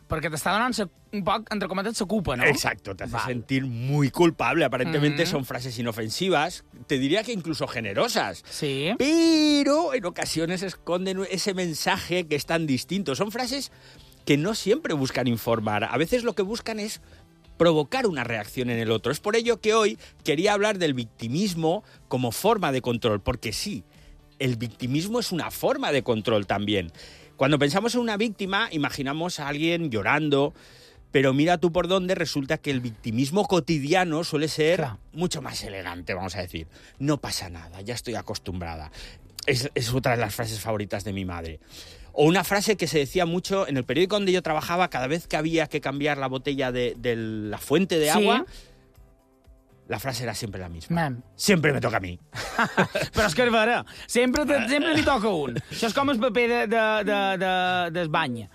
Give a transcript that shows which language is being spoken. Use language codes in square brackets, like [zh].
[ca] Perquè t'està donant un poc, entre cometes, la culpa, no? [es] Exacto, te hace sentir muy culpable. Aparentemente son frases inofensivas, te diría que incluso generosas. Sí. Pero en ocasiones esconden ese mensaje que es tan distinto. Son frases que no siempre buscan informar. A veces lo que buscan es provocar una reacción en el otro. Es por ello que hoy quería hablar del victimismo como forma de control, porque sí, el victimismo es una forma de control también. Cuando pensamos en una víctima, imaginamos a alguien llorando, pero mira tú por dónde, resulta que el victimismo cotidiano suele ser mucho más elegante, vamos a decir. No pasa nada, ya estoy acostumbrada. Es otra de las frases favoritas de mi madre. O una frase que se decía mucho en el periódico donde yo trabajaba, cada vez que había que cambiar la botella de la fuente de agua, la frase era siempre la misma. Man. Siempre me toca a mí. [ca] Però és que és vera. Sempre li toca un. Això és com el paper de bany.